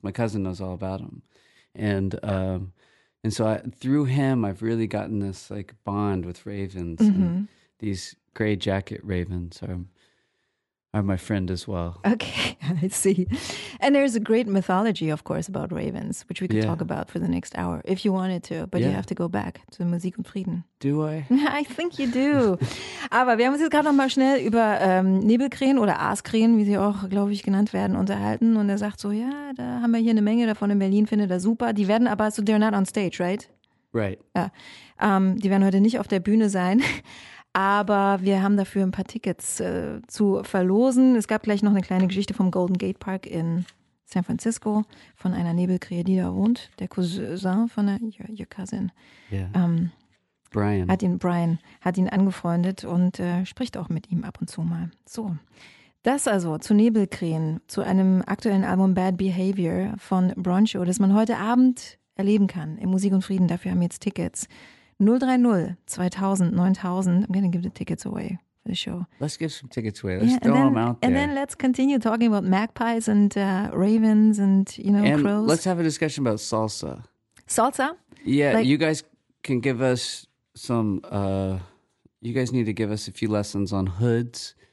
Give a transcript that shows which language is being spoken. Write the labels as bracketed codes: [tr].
[en] My cousin knows all about him. And so through him, I've really gotten this, like, bond with ravens. Mm-hmm. And these gray jacket ravens are my friend as well. Okay, I see. And there's a great mythology, of course, about ravens, which we could talk about for the next hour, if you wanted to. But you have to go back to Musik und Frieden. Do I? I think you do. [de] Aber wir haben uns jetzt gerade noch mal schnell über Nebelkrähen oder Aaskrähen, wie sie auch, glaube ich, genannt werden, unterhalten. Und er sagt so, ja, da haben wir hier eine Menge davon in Berlin, findet er super. Die werden aber, [en] so they're not on stage, right? Right. [de] Ja. Die werden heute nicht auf der Bühne sein. Aber wir haben dafür ein paar Tickets zu verlosen. Es gab gleich noch eine kleine Geschichte vom Golden Gate Park in San Francisco von einer Nebelkrähe, die da wohnt. Der Cousin von der, [en] your cousin. Yeah. Brian. [de] Hat ihn angefreundet und spricht auch mit ihm ab und zu mal. So, das also zu Nebelkrähen, zu einem aktuellen Album Bad Behavior von Broncho, das man heute Abend erleben kann in Musik und Frieden. Dafür haben wir jetzt Tickets. 030-2000-9000. [en] I'm going to give the tickets away for the show. Let's give some tickets away. Let's throw them out there. And then let's continue talking about magpies and ravens and, you know, and crows. Let's have a discussion about salsa. Salsa? Yeah, like, you guys can give us some, you guys need to give us a few lessons on hoods.